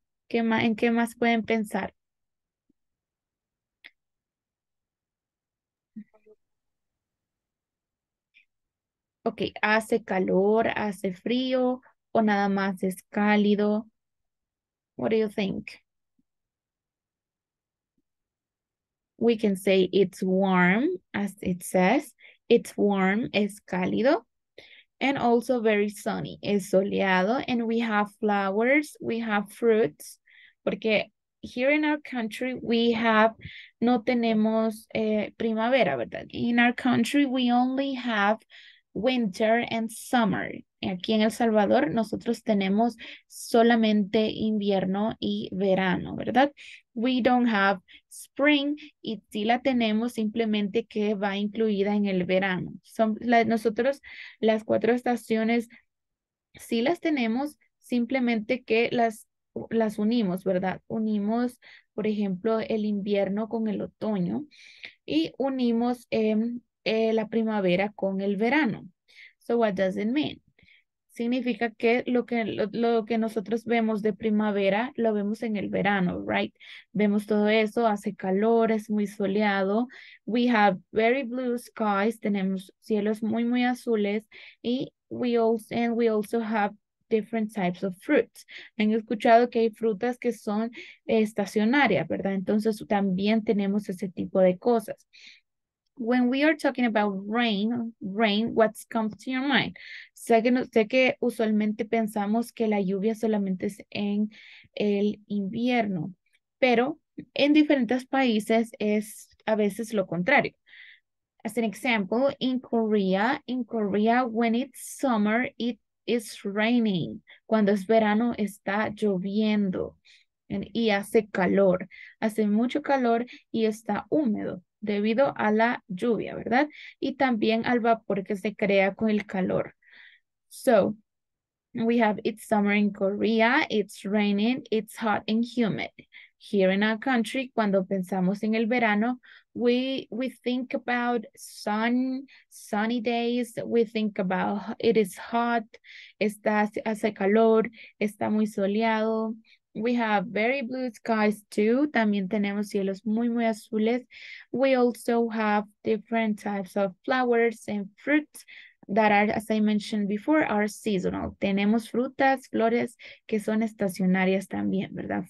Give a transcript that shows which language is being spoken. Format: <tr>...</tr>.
<es>¿En qué más pueden pensar? Okay, hace calor, hace frío, o nada más es cálido.</es> <en>What do you think? We can say it's warm, as it says. It's warm, es cálido. And also very sunny, es soleado. And we have flowers, we have fruits. Porque here in our country, we have, no tenemos primavera, ¿verdad? In our country, we only have winter and summer.</en> <es>Aquí en El Salvador, nosotros tenemos solamente invierno y verano, ¿verdad? We don't have spring, y sí la tenemos, simplemente que va incluida en el verano. Nosotros las cuatro estaciones sí las tenemos, simplemente que las unimos, ¿verdad? Unimos, por ejemplo, el invierno con el otoño y unimos la primavera con el verano. So what does it mean? Significa que lo que nosotros vemos de primavera lo vemos en el verano, right? Vemos todo eso, hace calor, es muy soleado. We have very blue skies, tenemos cielos muy, muy azules.</es> <en>Y we also have different types of fruits.</en> <es>Han escuchado que hay frutas que son estacionarias, ¿verdad? Entonces también tenemos ese tipo de cosas.</es> <en>When we are talking about rain, what comes to your mind?</en> <es>Sé que usualmente pensamos que la lluvia solamente es en el invierno, pero en diferentes países es a veces lo contrario.</es> <en>As an example, in Korea, when it's summer, it is raining.</en> <es>Cuando es verano, está lloviendo y hace calor. Hace mucho calor y está húmedo, debido a la lluvia, ¿verdad? Y también al vapor que se crea con el calor.</es> <en>So, we have it's summer in Korea, it's raining, it's hot and humid. Here in our country, cuando pensamos en el verano, we think about sunny days, we think about it is hot, hace calor, está muy soleado. We have very blue skies too. También tenemos cielos muy, muy azules. We also have different types of flowers and fruits that are, as I mentioned before, are seasonal.</en> <es>Tenemos frutas, flores, que son estacionarias también, ¿verdad?</es>